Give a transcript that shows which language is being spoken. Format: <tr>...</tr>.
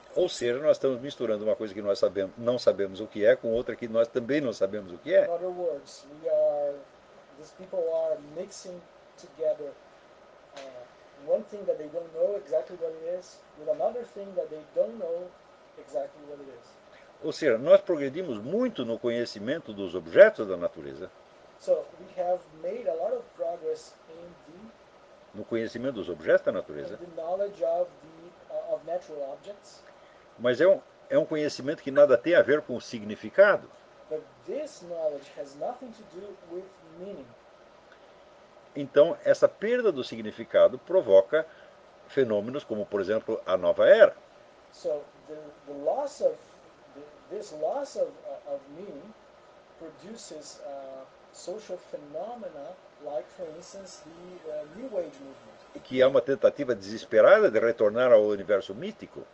<pt>Ou seja, nós estamos misturando uma coisa que nós sabemos, não sabemos o que é com outra que nós também não sabemos o que é.</pt> <en>In other words, these people are mixing together one thing that they don't know exactly what it is with another thing that they don't know exactly what it is.</en> <pt>Ou seja, nós progredimos muito no conhecimento dos objetos da natureza.</pt> <en>So we have made a lot of progress in the</en> <pt>no conhecimento dos objetos da natureza.</pt> <en>The knowledge of the of natural objects.</en> <pt>Mas é um conhecimento que nada tem a ver com o significado.</pt> <en>But this knowledge has nothing to do with meaning.</en> <pt>Então, essa perda do significado provoca fenômenos como, por exemplo, a nova era.</pt> <en>So, the loss of this loss of meaning produces social phenomena like, for instance, the New Age movement.</en> <pt>Que é uma tentativa desesperada de retornar ao universo mítico.</pt>